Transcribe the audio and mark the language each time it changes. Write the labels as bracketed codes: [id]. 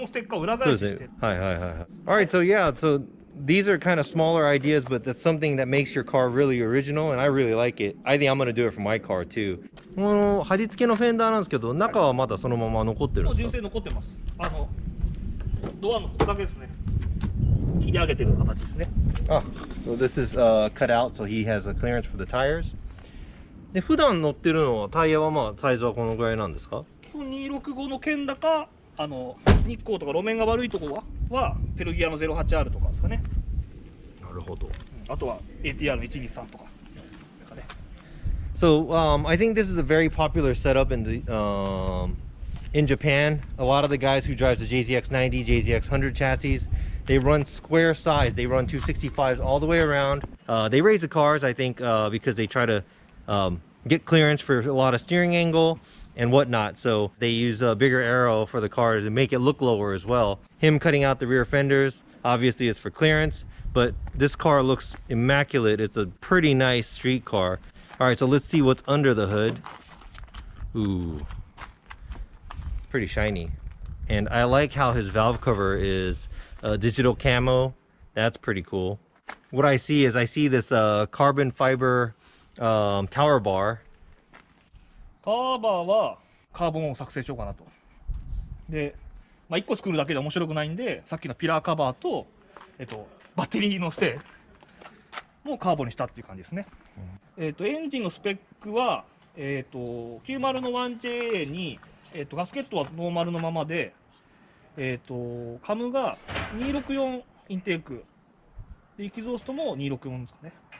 [en] Alright, so yeah, so these are kind of smaller ideas, but that's something that makes your car really original, and I really like it. I think I'm gonna do it for my car too. [ja] この貼り付けのフェンダーなんですけど、中はまだそのまま残ってるんですか？もう純正残ってます。ドアのここだけですね。切り上げてる形ですね。 [en] So this is cut out, so he has a clearance for the tires. [ja] で、普段乗ってるのはタイヤはまあサイズはこのぐらいなんですか？ 265の剣だか、日光とか路面が悪いところはペルギアの 08R とかですかね。なるほど。あとは ATR の123とか。 [en] So, I think this is a very popular setup in the, in Japan. A lot of the guys who drive the JZX90, JZX100 chassis, they run square size. They run 265s all the way around. They raise the cars, I think, because they try to get clearance for a lot of steering angle. And whatnot, so they use a bigger aero for the car to make it look lower as well. Him cutting out the rear fenders obviously is for clearance, but this car looks immaculate. It's a pretty nice street car. All right, so let's see what's under the hood. Ooh, pretty shiny. And I like how his valve cover is digital camo. That's pretty cool. What I see is I see this carbon fiber tower bar. [ja] カーバーはカーボンを作成しようかなと。で、まあ、1個作るだけで面白くないんで、さっきのピラーカバーと、バッテリーのステーもカーボンにしたっていう感じですね。エンジンのスペックは、90の 1JA に、ガスケットはノーマルのままで、カムが264インテーク、でエキゾーストも264ですかね。